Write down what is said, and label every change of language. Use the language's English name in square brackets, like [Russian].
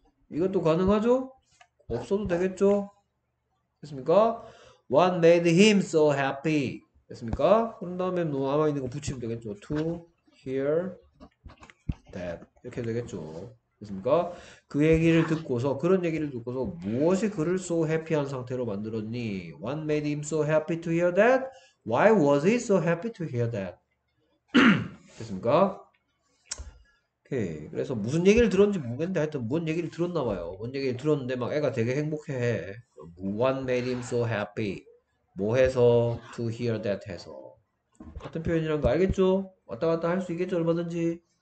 [Korean] 이것도 가능하죠? 없어도 되겠죠? 됐습니까? [English] What made him so happy? [Korean] 됐습니까? 그런 다음에 남아있는 거 붙이면 되겠죠? [English] To, hear, that. [Korean] 이렇게 되겠죠? 됐습니까? 그 얘기를 듣고서, 그런 얘기를 듣고서 무엇이 그를 so happy한 상태로 만들었니? [English] What made him so happy to hear that? Why was he so happy to hear that? [Korean] 됐습니까? 오케이. 그래서 무슨 얘기를 들었는지 모르겠는데 하여튼 뭔 얘기를 들었나 봐요. 뭔 얘기를 들었는데 막 애가 되게 행복해해. [English] What made him so happy? [Korean] 뭐 해서 [English] to hear that [Korean] 해서 같은 표현이란 거 알겠죠? 왔다 갔다 할수 있겠죠 얼마든지.